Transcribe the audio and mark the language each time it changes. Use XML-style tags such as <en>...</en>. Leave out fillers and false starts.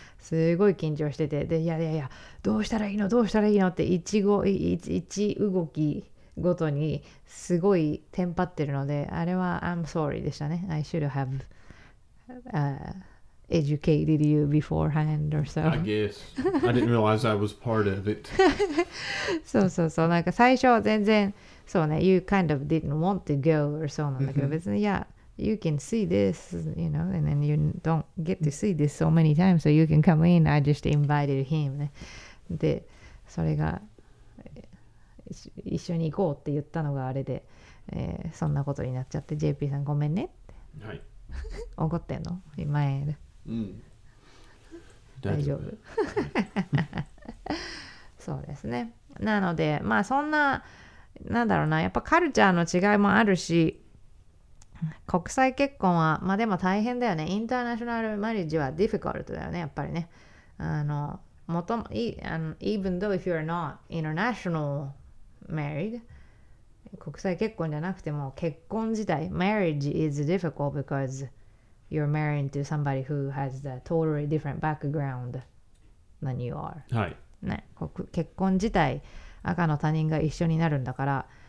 <ja>すごい緊張してて、で、いや、どうしたらいいの、どうしたらいいのって一動きごとにすごいテンパってるので、あれは</ja> <en>I'm sorry</en> <ja>でしたね。</ja> <en>I should have、educated you beforehand or so. I guess. I didn't realize I was part of it.</en> <ja>そうそうそう、なんか最初は全然、そうね、</ja> <en>You kind of didn't want to go or so</en> <ja>なんだけど、別に、いや、</ja> <en>You can see this, you know, and then you don't get to see this so many times, so you can come in. I just invited him.</en> <ja>で、それが一緒に行こうって言ったのがあれで、そんなことになっちゃって、JP さんごめんねって。はい。怒ってんの？今やる。うん。大丈夫。そうですね。なので、まあそんな、なんだろうな、やっぱカルチャーの違いもあるし、国際結婚はまあでも大変だよね。インターナショナルマリッジはディフィカルトだよね、やっぱりね。あの、もとも、</ja> <en>even though if you are not international married,</en> <ja>国際結婚じゃなくても結婚自体、</ja> <en>marriage is difficult because you're marrying to somebody who has a totally different background than you are.</en> <ja>はい。ね、結婚自体、赤の他人が一緒になるんだから、</ja>